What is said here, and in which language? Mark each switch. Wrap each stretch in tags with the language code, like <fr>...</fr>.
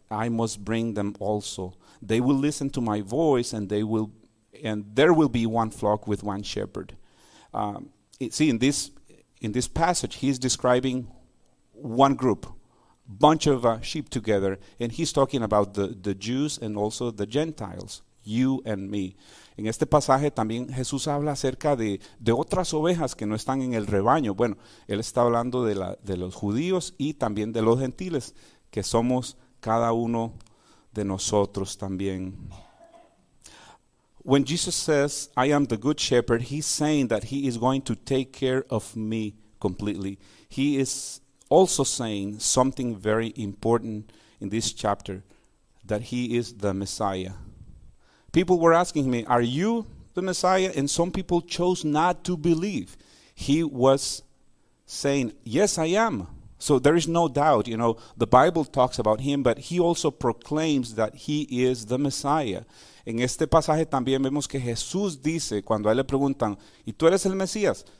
<en>I must bring them also. They will listen to my voice, and there will be one flock with one shepherd. In this passage, he's describing one group, bunch of sheep together, and he's talking about the Jews and also the Gentiles, you and me.</en> <es>En este pasaje también Jesús habla acerca de otras ovejas que no están en el rebaño. Bueno, él está hablando de los judíos y también de los gentiles, que somos cada uno de nosotros también.</es> <en>When Jesus says, I am the good shepherd, he's saying that he is going to take care of me completely. He is also saying something very important in this chapter, that he is the Messiah. People were asking me, are you the Messiah? And some people chose not to believe. He was saying, yes, I am. So there is no doubt, you know, the Bible talks about him, but he also proclaims that he is the Messiah.</en> <es>En este pasaje también vemos que Jesús dice, cuando a él le preguntan, ¿y tú eres el Mesías?</es>